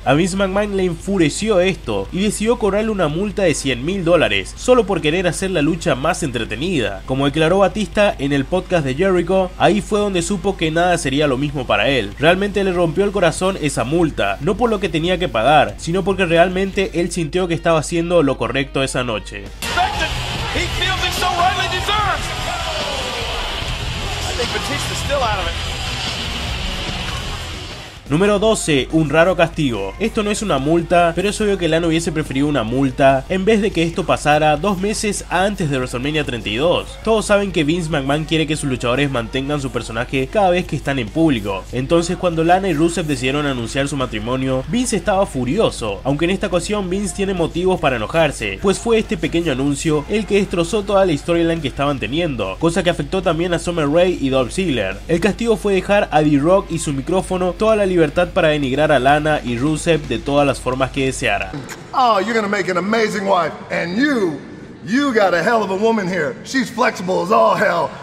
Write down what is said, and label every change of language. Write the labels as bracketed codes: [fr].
[es] A Vince McMahon le enfureció esto y decidió cobrarle una multa de $100,000 solo por querer hacer la lucha más entretenida. Como declaró Batista en el podcast de Jericho, ahí fue donde supo que nada sería lo mismo para él. Realmente le rompió el corazón esa multa, no por lo que tenía que pagar, sino porque realmente él sintió que estaba haciendo lo correcto esa noche. [en] He feels it so rightly deserved. I think Batista's still out of it. [es] Número 12, un raro castigo. Esto no es una multa, pero es obvio que Lana hubiese preferido una multa en vez de que esto pasara dos meses antes de WrestleMania 32. Todos saben que Vince McMahon quiere que sus luchadores mantengan su personaje cada vez que están en público. Entonces, cuando Lana y Rusev decidieron anunciar su matrimonio, Vince estaba furioso. Aunque en esta ocasión Vince tiene motivos para enojarse, pues fue este pequeño anuncio el que destrozó toda la storyline que estaban teniendo, cosa que afectó también a Summer Rae y Dolph Ziggler. El castigo fue dejar a D-Rock y su micrófono toda la libertad para denigrar a Lana y Rusev de todas las formas que deseara. [en] Oh, you're gonna make an amazing wife, and you got a hell of a woman here. She's flexible as all hell.